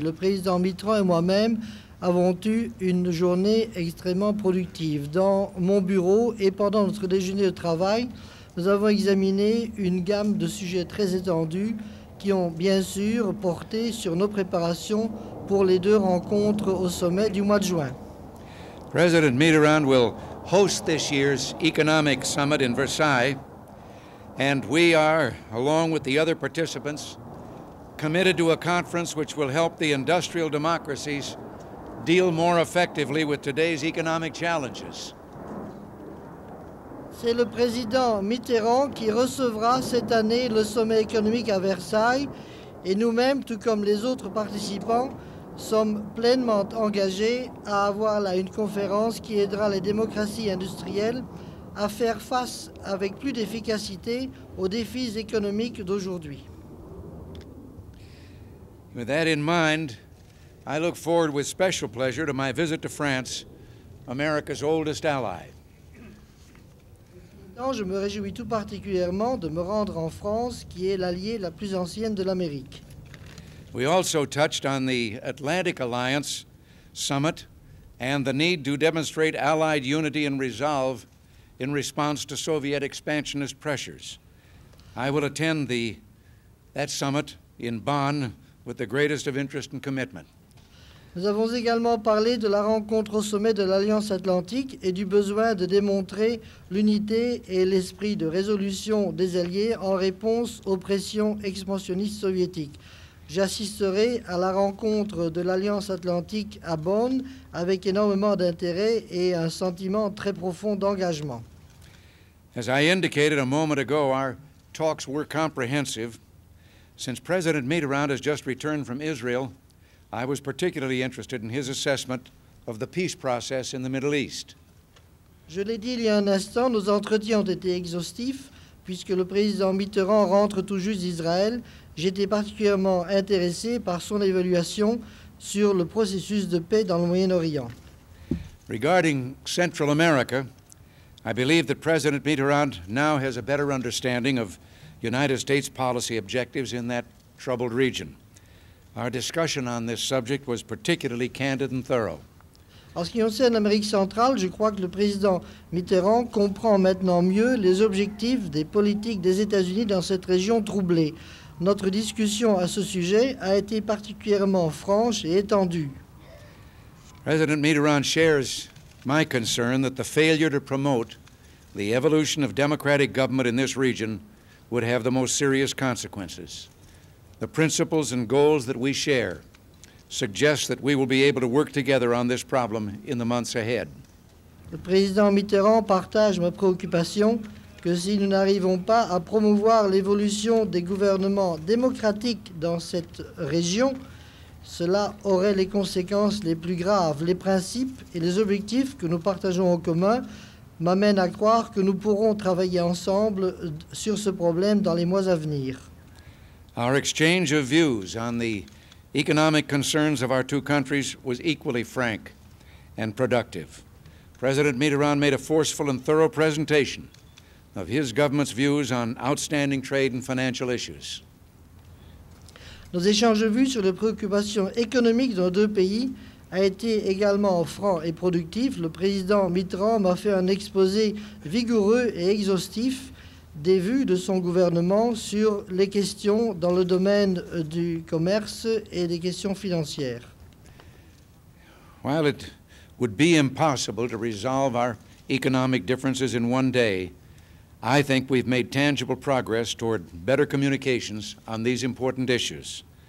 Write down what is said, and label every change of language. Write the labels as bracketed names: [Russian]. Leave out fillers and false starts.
[French] Le président Mitterrand et moi-même avons eu une journée extrêmement productive. Dans mon bureau et pendant notre déjeuner de travail, nous avons examiné une gamme de sujets très étendus qui ont bien sûr porté sur nos préparations pour les deux rencontres au sommet du mois de juin. [English] President Mitterrand will host this year's economic summit in Versailles. And we are, along with the other participants, committed to a conference which will help the industrial democracies deal more effectively with today's economic challenges. [French] C'est le président Mitterrand qui recevra cette année le sommet économique à Versailles, et nous-mêmes, tout comme les autres participants, sommes pleinement engagés à avoir là une conférence qui aidera les démocraties industrielles à faire face avec plus d'efficacité aux défis économiques d'aujourd'hui. [English] With that in mind, I look forward with special pleasure to my visit to France, America's oldest ally. [French] Donc, je me réjouis tout particulièrement de me rendre en France, qui est l'allié la plus ancienne de l'Amérique. [English] We also touched on the Atlantic Alliance summit and the need to demonstrate allied unity and resolve in response to Soviet expansionist pressures. I will attend that summit in Bonn with the greatest of interest and commitment. [French] Nous avons également parlé de la rencontre au sommet de l'Alliance Atlantique et du besoin de démontrer l'unité et l'esprit de résolution des alliés en réponse aux pressions expansionnistes soviétiques. J'assisterai à la rencontre de l'Alliance Atlantique à Bonn avec énormément d'intérêt et un sentiment très profond d'engagement. [English] As I indicated a moment ago, our talks were comprehensive. Since President Mitterrand has just returned from Israel, I was particularly interested in his assessment of the peace process in the Middle East. [French] Je l'ai dit il y a un instant, nos entretiens ont été exhaustifs puisque le président Mitterrand rentre tout juste d'Israël. J'étais particulièrement intéressé par son évaluation sur le processus de paix dans le Moyen-Orient. [English] Regarding Central America, I believe that President Mitterrand now has a better understanding of United States policy objectives in that troubled region. Our discussion on this subject was particularly candid and thorough. [French] En ce qui concerne l'Amérique centrale, je crois que le président Mitterrand comprend maintenant mieux les objectifs des politiques des États-Unis dans cette région troublée. Notre discussion à ce sujet a été particulièrement franche et étendue. [English] President Mitterrand shares my concern that the failure to promote the evolution of democratic government in this region would have the most serious consequences. The principles and goals that we share suggest that we will be able to work together on this problem in the months ahead. [French] Le président Mitterrand partage ma préoccupation que si nous n'arrivons pas à promouvoir l'évolution des gouvernements démocratiques dans cette région, cela aurait les conséquences les plus graves. Les principes et les objectifs que nous partageons en commun m'amènent à croire que nous pourrons travailler ensemble sur ce problème dans les mois à venir. [English] Our exchange of views on the economic concerns of our two countries was equally frank and productive. President Mitterrand made a forceful and thorough presentation of his government's views on outstanding trade and financial issues. [French] Nos échanges de vues sur les préoccupations économiques de nos deux pays a été également franc et productif. Le président Mitterrand m'a fait un exposé vigoureux et exhaustif des vues de son gouvernement sur les questions dans le domaine du commerce et des questions financières. [English] While it would be impossible to resolve our economic differences in one day, I think we've made tangible progress toward better communications on these important issues.